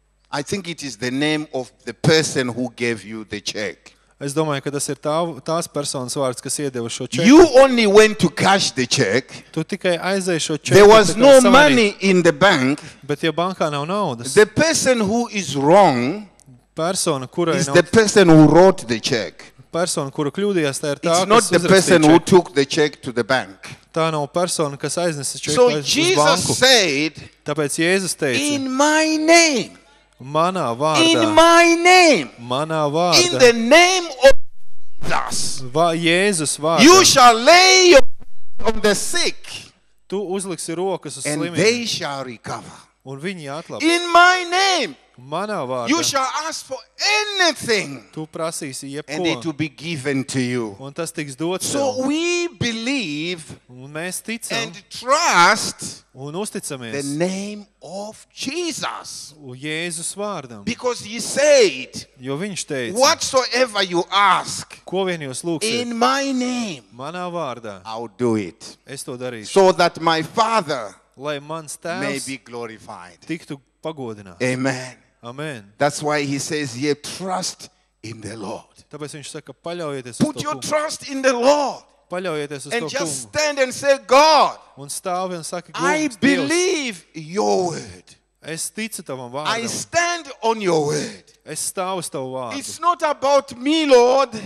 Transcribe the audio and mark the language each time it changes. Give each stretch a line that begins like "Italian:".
English: I think it is the name of the person who gave you the check.
Latvian: Es domāju, ka tas ir tās personas vārds, kas iedeva šo čeku.
English: You only went to cash the check.
Latvian: Tu tikai aizēji šo čeku.
English: There was no money in the bank.
Latvian: Bet ja bankā nav naudas.
English: The person who is wrong.
Latvian: Persona, kura
English: is the person who wrote the check.
Latvian: Persona, kura kļūdījās, tā ir tā,
English: It's not the person who took the check to the bank.
Latvian: Tā nav persona, kas aiznesa čeku so uz banku.
English: Jesus said,
Latvian: Tāpēc Jēzus teica,
English: In my name.
Latvian: Manā vārdā.
English: In my name.
Latvian: Manā vārdā.
English: In the name of Jesus.
Latvian: Jēzus vārdā.
English: You shall lay your hands on the sick.
Latvian: Tu uzliksi rokas uz slimiem.
English: And they shall recover.
Latvian: Un viņi atlabs.
English: In my name.
Latvian: Manā vārdā.
English: You shall ask for anything.
Latvian: Tu prasīsi jebko.
English: And it will be given to you.
Latvian: Un tas tiks dots.
English: So we believe.
Latvian: Un mēs ticam.
English: And trust.
Latvian: Un uzticamies.
English: The name of Jesus.
Latvian: Jēzus vārdam.
English: Because he said.
Latvian: Jo viņš teica.
English: Whatsoever you ask.
Latvian: Ko vien jūs lūksiet.
English: In my name.
Latvian: Manā vārdā.
English: I'll do it.
Latvian: Es to darīšu.
English: So that my father.
Latvian: Lai mans tēvs.
English: May be glorified. Tiktu pagodināts. Amen. Amen. That's why he says, "Ye trust in the Lord."
Latvian: Tāpēc viņš saka, paļaujieties
English: Put your trust in the Lord.
Latvian: Paļaujieties uz to Kungu.
English: And just stand and say, "God."
Latvian: Un stāv un saka,
English: I believe your word.
Latvian: Es ticu tavam vārdam.
English: I stand on your word.
Latvian: Es stāvu uz tavu vārdu.
English: It's not about me, Lord.